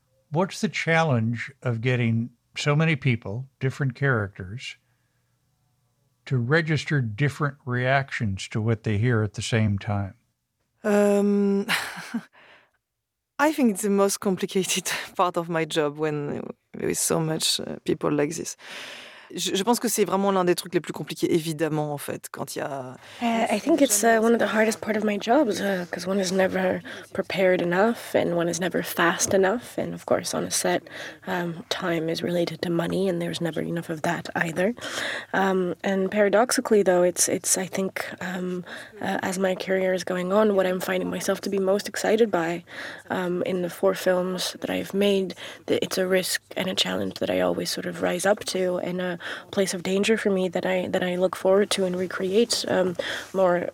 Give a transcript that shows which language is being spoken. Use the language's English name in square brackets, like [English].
[English] What's the challenge of getting so many people, different characters, to register different reactions to what they hear at the same time? I think it's the most complicated part of my job when there is so much people like this. [French] Je pense que c'est vraiment l'un des trucs les plus compliqués, évidemment, en fait, quand il y a... [English] I think it's one of the hardest part of my job, because one is never prepared enough, and one is never fast enough, and of course, on a set, time is related to money, and there's never enough of that either. And paradoxically, though, it's I think, as my career is going on, what I'm finding myself to be most excited by in the four films that I've made, that it's a risk and a challenge that I always sort of rise up to, and place of danger for me that I look forward to and recreate more.